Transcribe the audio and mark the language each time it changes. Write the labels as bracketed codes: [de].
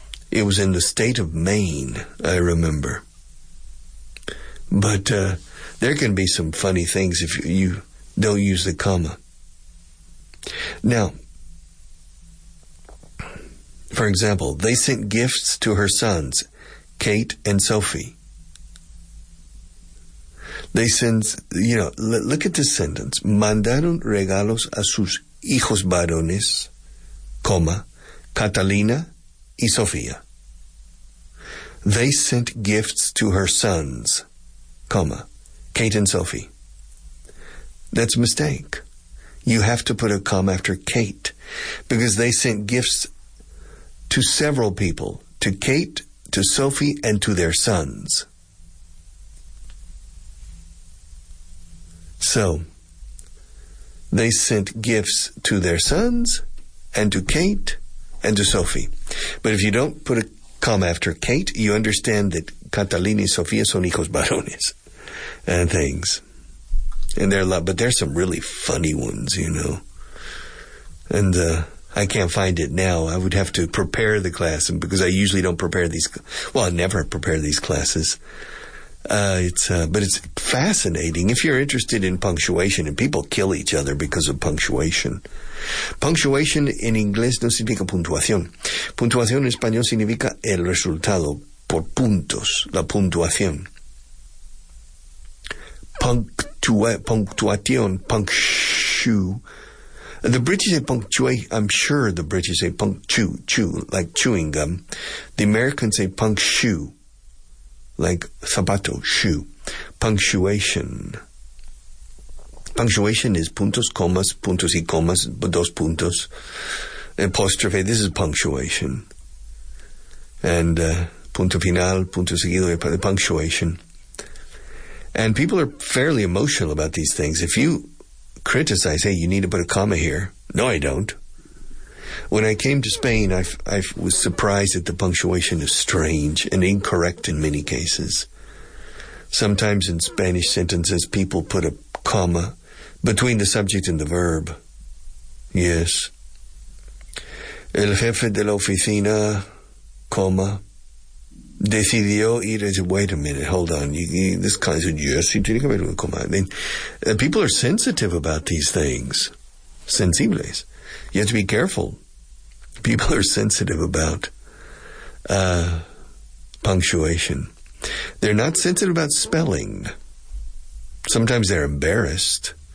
[en] It was in the state of Maine, I remember. But there can be some funny things if you don't use the comma. Now, for example, they sent gifts to her sons, Kate and Sophie. They sent, you know, look at this sentence. [es] Mandaron regalos a sus hijos varones, coma, Catalina y Sofía. [en] They sent gifts to her sons, coma, Kate and Sophie. That's a mistake. You have to put a comma after Kate, because they sent gifts to several people, to Kate, to Sophie, and to their sons. So, they sent gifts to their sons and to Kate and to Sophie. But if you don't put a comma after Kate, you understand that [es] Catalina y Sofía son hijos varones [en] and things. And they're a lot, but there's some really funny ones, you know. And I can't find it now. I would have to prepare the class, and because I usually don't prepare these. Well, I never prepare these classes. But it's fascinating. If you're interested in punctuation, and people kill each other because of punctuation. Punctuation in English [es] no significa puntuación. Puntuación en español significa el resultado por puntos, la puntuación. [en] The British say punctuate. I'm sure the British say chew, like chewing gum. The Americans say punctue. Like zapato, shoe, punctuation. Punctuation is puntos, commas, puntos y commas, dos puntos. Apostrophe, this is punctuation. And [es] punto final, punto seguido, [en] punctuation. And people are fairly emotional about these things. If you criticize, hey, you need to put a comma here. No, I don't. When I came to Spain, I was surprised that the punctuation is strange and incorrect in many cases. Sometimes in Spanish sentences, people put a comma between the subject and the verb. Yes. [es] El jefe de la oficina, comma, decidió ir a... [en] Wait a minute, hold on. This kind of... Yes, he [es] tiene que ver con [en] comma. I mean, people are sensitive about these things. Sensibles. You have to be careful. People are sensitive about punctuation. They're not sensitive about spelling. Sometimes they're embarrassed.